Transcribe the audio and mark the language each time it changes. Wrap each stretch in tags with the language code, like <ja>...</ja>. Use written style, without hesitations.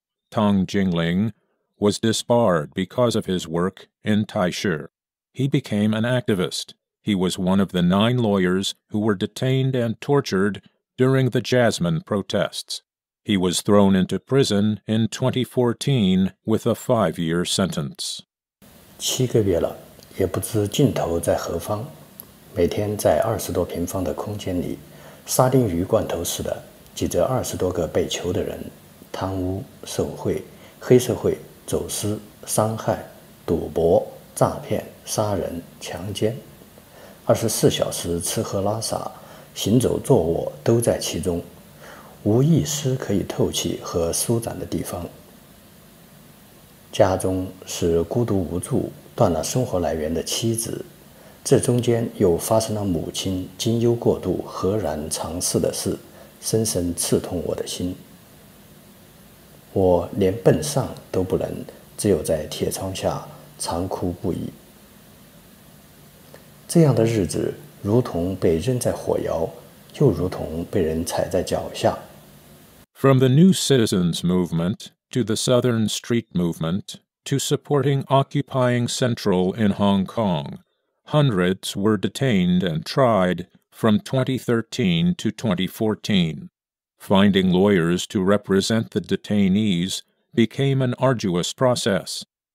<en>Tang Jingling was disbarred because of his work in Taishi. He became an activist. He was one of the 9 lawyers who were detained and tortured during the Jasmine protests. He was thrown into prison in 2014 with a 5-year sentence.</en> <zh>7个月了，也不知尽头在何方，每天在20多平方的空间里沙丁鱼罐头似的挤着20多个被囚的人，贪污受贿、黑社会走私、伤害、赌博、诈骗、杀人、强奸，24小时吃喝拉撒、行走坐卧都在其中，无一丝可以透气和舒展的地方。家中是孤独无助、断了生活来源的妻子，这中间又发生了母亲经忧过度和然尝试的事，深深刺痛我的心。我连奔丧都不能，只有在铁窗下长哭不已。这样的日子如同被扔在火窑，又如同被人踩在脚下。</zh> <en>From the New Citizens Movement to the Southern Street Movement to supporting occupying Central in Hong Kong. Hundreds were detained and tried from 2013 to 2014. Finding lawyers to represent the detainees became an arduous process.</en>